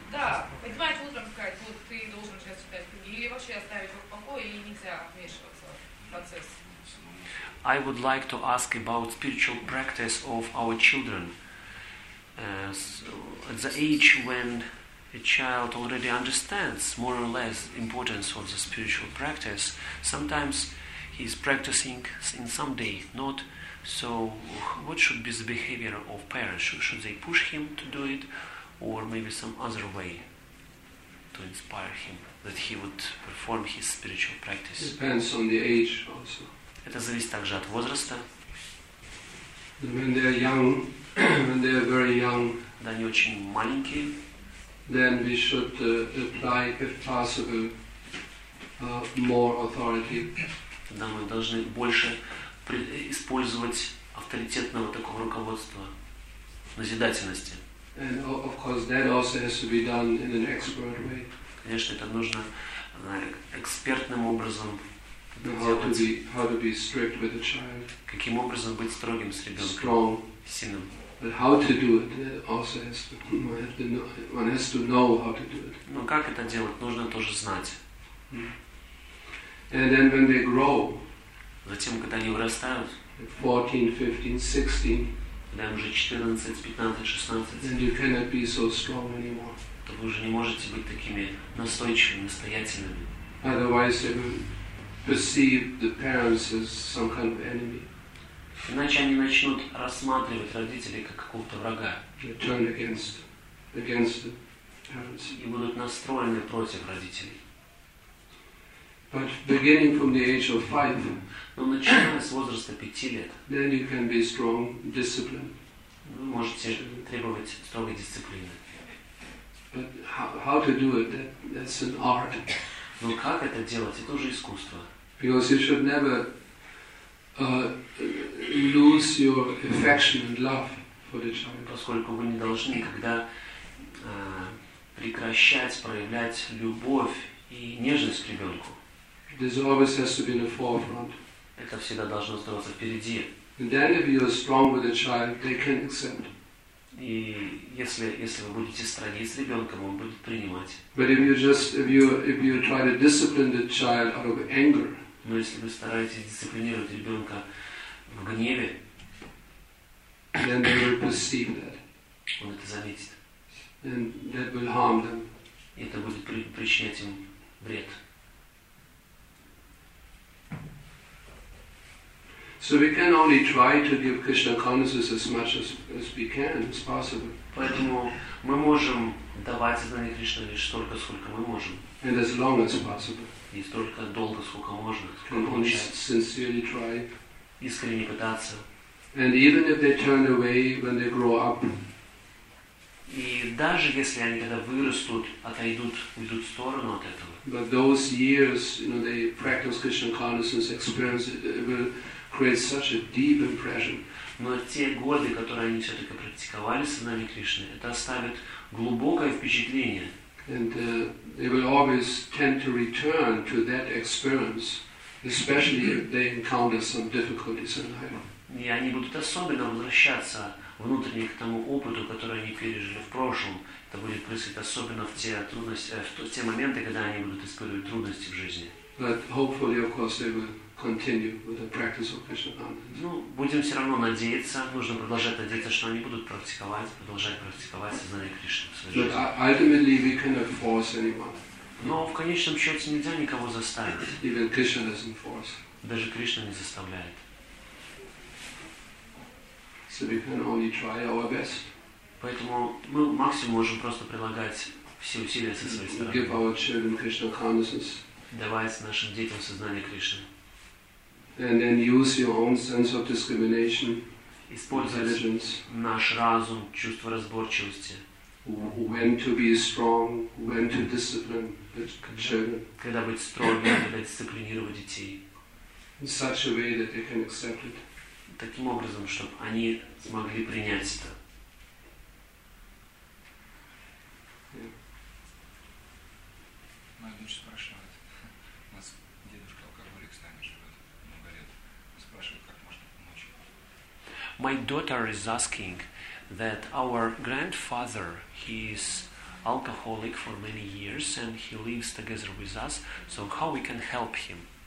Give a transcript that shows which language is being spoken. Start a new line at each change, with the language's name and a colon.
Russian: Да, поднимать утром, сказать, вот ты должен сейчас читать книги, или вообще оставить его в покое, и нельзя вмешиваться в процесс.
English: I would like to ask about spiritual practice of our children. At the age when a child already understands more or less the importance of the spiritual practice, sometimes he is practicing in some day, not. So what should be the behavior of parents? Should they push him to do it, or maybe some other way to inspire him that he would perform his spiritual practice? Depends on the age also.
Russian: Это зависит также от возраста.
English: When they are young, when they are very young,
Russian: да, они очень маленькие,
English: then we should apply, if possible, more authority.
Russian: Тогда мы должны больше использовать авторитетного такого руководства, назидательности.
English: And of course, that also has to be done in an expert way.
Russian: Конечно, это нужно экспертным образом делать.
English: How to be strict with a child?
Russian: Каким образом быть строгим с ребенком?
English: Strong.
Russian: Сильным.
English: But how to do it? Also has to one has to know how to do it.
Russian: Но как это делать? Нужно тоже знать.
English: And then when they grow.
Russian: Затем, когда они вырастают,
English: 14, 15, 16,
Russian: когда им уже 14, 15, 16,
English: then you cannot be so strong anymore.
Russian: То вы уже не можете быть такими настойчивыми, настоятельными.
English: Otherwise they will perceive the parents as some kind of enemy.
Russian: Иначе они начнут рассматривать родителей как какого-то врага.
English: They turn against the parents.
Russian: И будут настроены против родителей.
English: But beginning from the age of 5,
Russian: но начиная с возраста 5 лет,
English: then you can be strong, disciplined.
Russian: Вы можете требовать строгой дисциплины.
English: But how to do it? That's an art.
Russian: Но как это делать? Это уже искусство.
English: Because you should never lose your affection and love for the child.
Russian: Поскольку вы не должны никогда прекращать проявлять любовь и нежность к ребенку.
English: This always has to be in the forefront.
Russian: Это всегда должно оставаться впереди.
English: And then if you are strong with a child, they can accept.
Russian: И если вы будете строги с ребенком, он будет принимать.
English: But if you try to discipline the child out of anger.
Russian: Но если вы стараетесь дисциплинировать ребенка в гневе,
English: then they will perceive that.
Russian: Он это заметит.
English: And that will harm them.
Russian: И это будет причинять им вред.
English: So we can only try to give Krishna consciousness as much as we can, as possible.
Russian: Поэтому мы можем давать сознание Кришны лишь столько, сколько мы можем.
English: And as long as possible.
Russian: И столько долго, сколько можно.
English: Sincerely try.
Russian: Искренне пытаться.
English: And even if they turn away when they grow up.
Russian: И даже если они когда вырастут, отойдут, уйдут в сторону от этого.
English: But those years, you know, they practice Krishna consciousness, experience will create such a deep impression.
Russian: Но те годы, которые они все-таки практиковали с нами Кришны, это оставит глубокое впечатление.
English: And they will always tend to return to that experience, especially if they encounter some difficulties in life.
Russian: И они будут особенно возвращаться внутренне к тому опыту, который они пережили в прошлом. Это будет происходить особенно в те трудности, в те моменты, когда они будут испытывать трудности в жизни.
English: But hopefully, of course, they will continue with the practice of Krishna consciousness.
Russian: Ну, будем все равно надеяться, нужно продолжать надеяться, что они будут продолжать практиковать сознание Кришны в своей жизни.
English: But ultimately, we cannot force anyone.
Russian: Но в конечном счете нельзя никого заставить.
English: Even Krishna doesn't force.
Russian: Даже Кришна не заставляет.
English: So we can only try our best.
Russian: Поэтому мы максимум можем просто прилагать все усилия со своей стороны.
English: Give our children Krishna consciousness.
Russian: Давать нашим детям сознание Кришны.
English: And then use your own sense of discrimination.
Russian: Использовать наш разум, чувство разборчивости.
English: When to be strong, when to discipline the children.
Russian: Когда быть строгим, когда дисциплинировать детей.
English: In such a way that they can accept it.
Russian: Таким образом, чтобы они смогли принять это. Мой внучка спрашивает. У нас дедушка алкоголик с нами живет много лет. Он спрашивает, как можно помочь.
English: My daughter is asking that our grandfather, he is alcoholic for many years and he lives together with us, so how we can help him?